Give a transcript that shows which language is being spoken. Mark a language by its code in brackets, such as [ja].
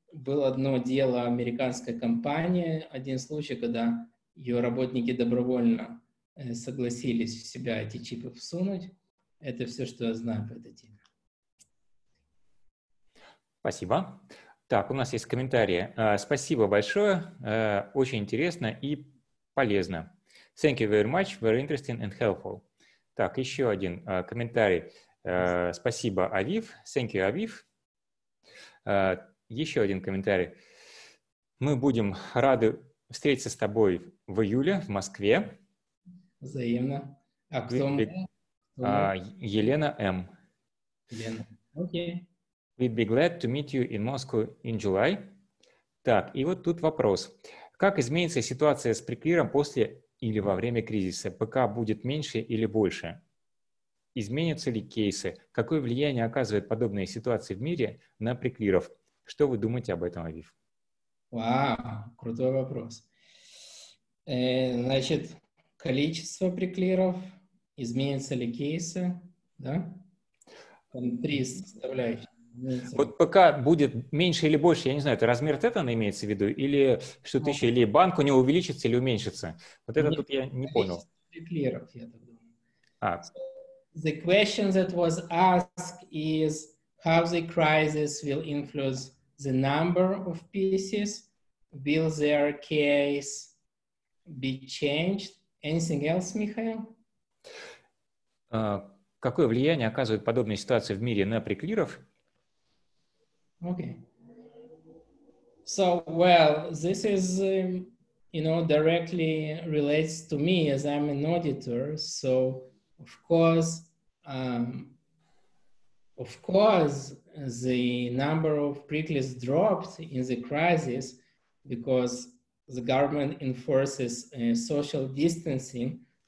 [ru] Было одно дело американской компании, один случай, когда ее работники добровольно согласились в себя эти чипы всунуть. Это все, что я знаю по этой теме. Спасибо. Так, у нас есть комментарии. Спасибо большое, очень интересно и полезно. [en] Thank you very much, very interesting and helpful. [ru] Так, еще один комментарий. Спасибо, Авив. [en] Thank you, [ru] Авив. Еще один комментарий. Мы будем рады встретиться с тобой в июле в Москве. Взаимно. А кто мы? Елена М. Елена, окей. [en] Okay. We'd be glad to meet you in Moscow in July. [ru] Так, и вот тут вопрос. Как изменится ситуация с преклиром после или во время кризиса? ПК будет меньше или больше? Изменятся ли кейсы? Какое влияние оказывают подобные ситуации в мире на преклиров? Что вы думаете об этом, Авив? Вау, крутой вопрос. Значит, количество преклиров, изменятся ли кейсы, да? Там три составляющие. Вот ПК будет меньше или больше, я не знаю, это размер тетана имеется в виду, или что-то еще, или банк у него увеличится или уменьшится? Вот это тут я не понял. Преклиров, я так думаю. [en] The question that was asked is how the crisis will influence the number of pieces, will their case be changed? Anything else, Михаил? [ru] Какое влияние оказывают подобные ситуации в мире на преклиров? [en] Okay. So, well, this is, directly relates to me as I'm an auditor. So, of course, the number of preclears dropped in the crisis because the government enforces social distancing.